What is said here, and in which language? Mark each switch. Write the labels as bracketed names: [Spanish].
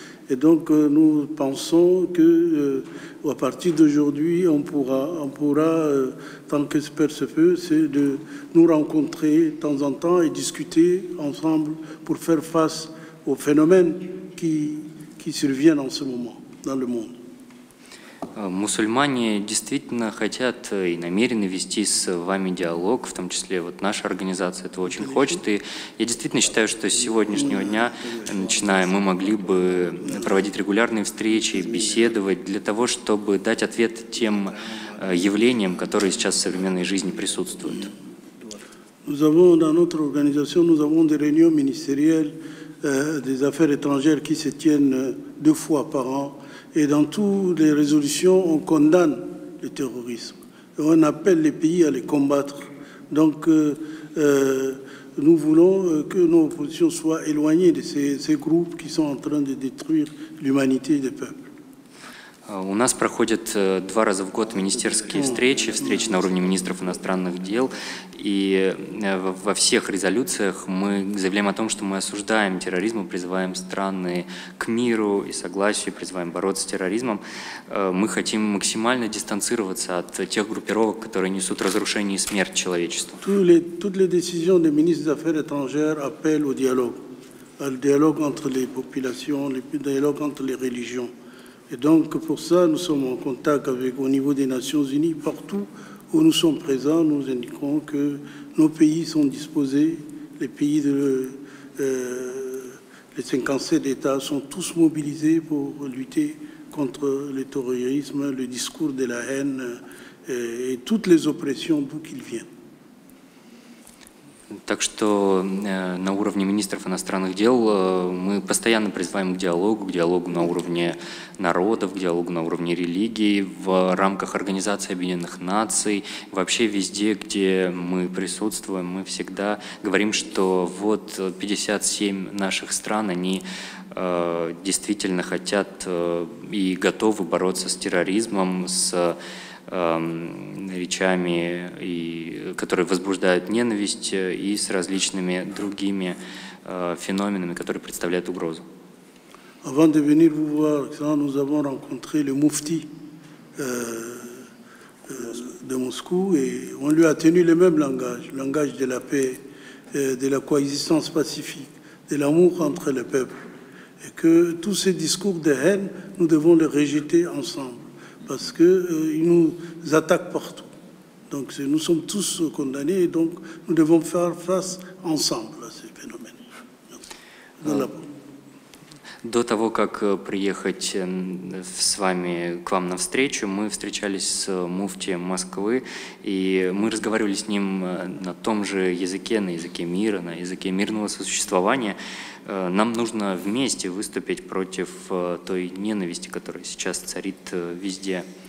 [French] Et donc, nous pensons que à partir d'aujourd'hui, on pourra tant que faire se peut, c'est de nous rencontrer de temps en temps et discuter ensemble pour faire face aux phénomènes qui surviennent en ce moment. dans le monde. [Russian] Мусульмане действительно хотят и намерены вести с вами диалог, в том числе вот наша организация этого очень хочет. И я действительно считаю, что с сегодняшнего дня, начиная, мы могли бы проводить регулярные встречи, беседовать для того, чтобы дать ответ тем явлениям, которые сейчас в современной жизни присутствуют. [French] Nous avons dans notre organisation, nous avons des réunions ministérielles des affaires étrangères qui se tiennent deux fois par an. Et dans toutes les résolutions, on condamne le terrorisme. Et on appelle les pays à les combattre. Donc, nous voulons que nos positions soient éloignées de ces groupes qui sont en train de détruire l'humanité des peuples. [Russian] У нас проходят два раза в год министерские встречи, встречи на уровне министров иностранных дел, и во всех резолюциях мы заявляем о том, что мы осуждаем терроризм, призываем страны к миру и согласию, призываем бороться с терроризмом. Мы хотим максимально дистанцироваться от тех группировок, которые несут разрушение и смерть человечеству. [French] Toutes les décisions des ministres des Affaires étrangères appellent au dialogue, au dialogue entre les populations, au dialogue entre les religions. Et donc, pour ça, nous sommes en contact avec, au niveau des Nations Unies, partout où nous sommes présents, nous indiquons que nos pays sont disposés, les pays de les 57 États sont tous mobilisés pour lutter contre le terrorisme, le discours de la haine et toutes les oppressions d'où qu'ils viennent. [Russian] Так что на уровне министров иностранных дел мы постоянно призываем к диалогу на уровне народов, к диалогу на уровне религии, в рамках Организации Объединенных Наций, вообще везде, где мы присутствуем, мы всегда говорим, что вот 57 наших стран, они действительно хотят и готовы бороться с терроризмом, с речами, и, которые возбуждают ненависть, и с различными другими феноменами, которые представляют угрозу. [French] Avant de venir vous voir, nous avons rencontré le муфти de Moscou, et on lui a tenu le même langage, le langage de la paix, de la coexistence pacifique, de l'amour entre les peuples, et que tous ces discours de haine, nous devons les rejeter ensemble. Parce que ils nous attaquent partout. Donc nous sommes tous condamnés, donc nous devons faire face ensemble à ces phénomènes. [Russian] До того, как приехать с вами к вам на встречу, мы встречались с муфтием Москвы, и мы разговаривали с ним на том же языке, на языке мира, на языке мирного сосуществования. Нам нужно вместе выступить против той ненависти, которая сейчас царит везде.